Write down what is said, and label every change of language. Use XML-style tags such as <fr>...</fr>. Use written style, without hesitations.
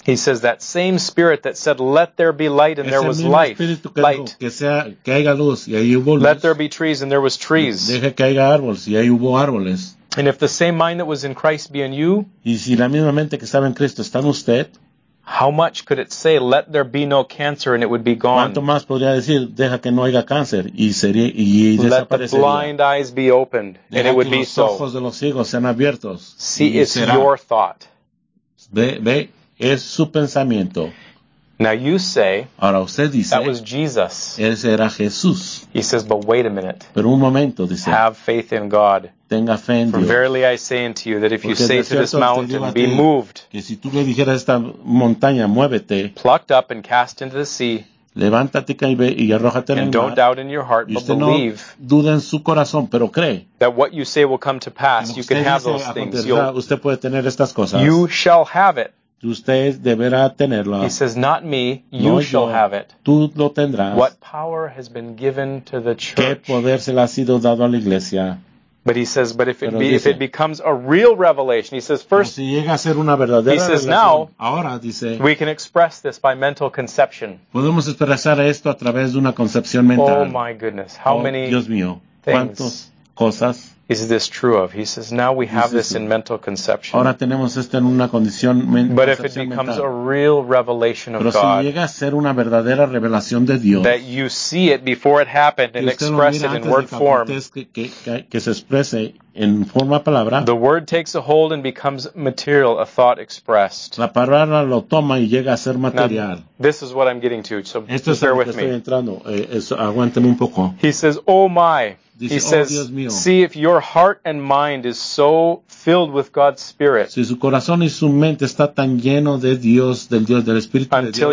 <en>He says that same spirit that said, let there be light and there was life. Light. Let there be trees and there was trees.</en> <es>Deje que haya árboles y ahí hubo árboles.</es> <en>And if the same mind that was in Christ be in you,</en> <es>y si la misma mente que estaba en Cristo está en usted,</es> <en>how much could it say, let there be no cancer and it would be gone?</en> <es>¿Cuánto más podría decir, deja que no haya cáncer y sería, y desaparecería?</es> <en>Let the blind eyes be opened and it would be so.</en> <es>Deja que los ojos de los ciegos sean abiertos.</es> <en>See, it's your thought.</en> <es>Ve, es su pensamiento.</es> <en>Now you say,</en> <es>ahora usted dice,</es> <en>that was Jesus.</en> <es>Ese era Jesús.</es> <en>He says, but wait a minute.</en> <es>Pero un momento, dice,</es> <en>have faith in God.</en> <es>Tenga fe en</es> <en>For</en> <es>Dios.</es> <en>Verily I say unto you that if</en> <es>Porque</es> <en>you say to this mountain, be moved,</en> <es>que si tú le dijeras a esta montaña, muévete,</es> <en>plucked up and cast into the sea,</en> <es>levántate y ve, y arrójate</es> <en>and</en> <es>en el mar,</es> <en>don't doubt in your heart, but believe,</en> <es>no duda en su corazón, pero cree,</es> <en>that what you say will come to pass, you can have those things.</en> <es>Usted puede tener estas cosas.</es> <en>You shall have it.</en> <es>Usted deberá tenerla.</es> <en>He says, not me, you</en> <es>no,</es> <en>shall</en> <es>yo,</es> <en>have it.</en> <es>Tú lo tendrás.</es> <en>What power has been given to the church?</en> <es>¿Qué poder se le ha sido dado a la iglesia?</es> <en>But he says, but if it, be,</en> <es>dice,</es> <en>if it becomes a real revelation, he says, first,</en> <es>si llega a ser una verdadera</es> <en>he says,</en> <es>revelación,</es> <en>now,</en> <es>ahora, dice,</es> <en>we can express this by mental conception.</en> <es>Podemos expresar esto a través de una concepción mental.</es> <en>Oh my goodness, how oh, many</en> <es>Dios mío, ¿cuántos cosas?</es> <en>Is this true of? He says, now we have this in mental conception.</en> <es>Ahora tenemos esto en una condición mental.</es> <en>But if it becomes a real revelation of God,</en> <es>pero si llega a ser una verdadera revelación de Dios,</es> <en>that you see it before it happened and express it in word form,</en> <es>que se exprese en forma palabra,</es> <en>the word takes a hold and becomes material, a thought expressed.</en> <es>La palabra lo toma y llega a ser material.</es> <en>Now, this is what I'm getting to, so</en> <es>esto es</es> <en>bear with</en> <es>estoy</es> <en>me.</en> <es>Entrando. Aguánteme un poco.</es> <en>He says, oh my.</en> <es>Dice,</es> <en>he oh, says,</en> <es>Dios mío,</es> <en>see if your heart and mind is so filled with God's Spirit.</en> <es>Si su corazón y su mente está tan lleno de Dios, del Dios, del Espíritu de Dios.</es>